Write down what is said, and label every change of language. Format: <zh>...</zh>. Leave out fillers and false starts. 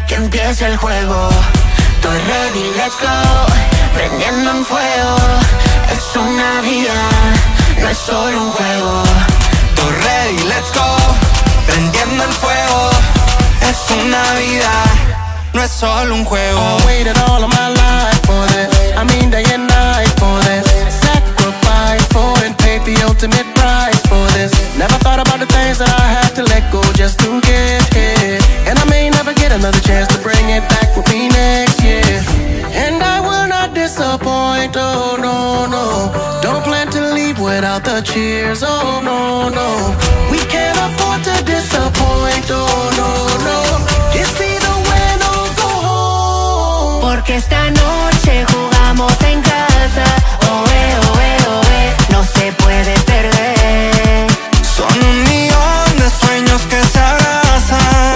<es>Que empiece el juego. Estoy</es> <en>ready, let's go.</en> <es>Prendiendo en fuego. Es una vida, no es solo un juego. Estoy</es> <en>ready, let's go.</en> <es>Prendiendo en fuego. Es una vida, no es solo un juego.</es> <en>I waited all of my life for this. I mean day and night for this. Sacrifice for and paid the ultimate price for this. Never thought about the things that I had to let go just to get here. And I may never get another chance to bring it back with me next year. And I will not disappoint, oh no, no. Don't plan to leave without the cheers, oh no, no. We can't afford to disappoint, oh no, no. It's either win or go home.</en> <es>Porque esta noche jugamos en casa. Oe, oe, oe, no se puede perder. Son un millón de sueños que se abrazan.</es>